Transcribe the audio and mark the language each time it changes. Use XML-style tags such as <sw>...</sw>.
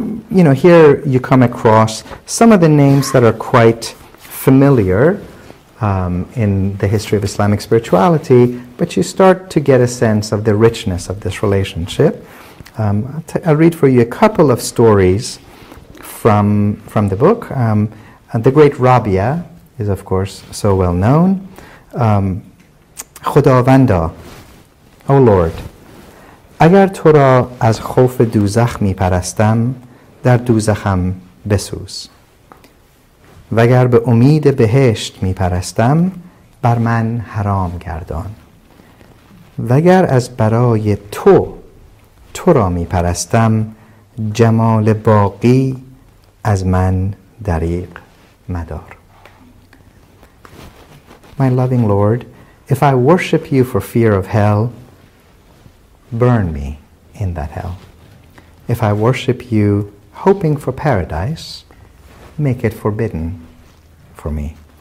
<en>You know, here you come across some of the names that are quite familiar in the history of Islamic spirituality, but you start to get a sense of the richness of this relationship. I'll read for you a couple of stories from the book. The great Rabia is, of course, so well known.</en> <fa>Khudavanda,</fa> <en>O Lord,</en> <fa>اگر تو را از خوف دوزخ می پرستم در دوزخم بسوز وگر به امید بهشت می پرستم بر من حرام گردان وگر از برای تو را می پرستم جمال باقی از من دریغ مدار.</fa> <en>My loving Lord, if I worship you for fear of hell, burn me in that hell. If I worship you hoping for paradise, make it forbidden for me.</en>